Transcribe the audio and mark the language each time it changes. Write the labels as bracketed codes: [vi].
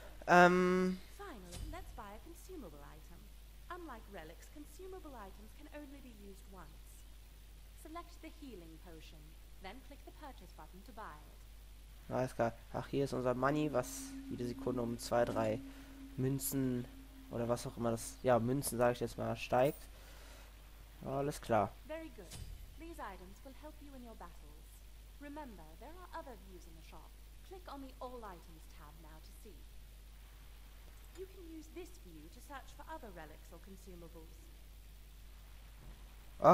[en] Finally, let's buy a consumable item. Unlike relics, consumable items can only be used once. Select the healing potion, then click the purchase button to buy it. [de] Alles klar. Ach, hier ist unser Money, was jede Sekunde um 2-3 Münzen oder was auch immer das, ja, Münzen, sage ich jetzt mal, steigt. Alles klar. [en] Very good. These items will help you in your battles. Remember, there are other views in the shop. Click on the All Items tab now to see. You can use this view to search for other relics or consumables.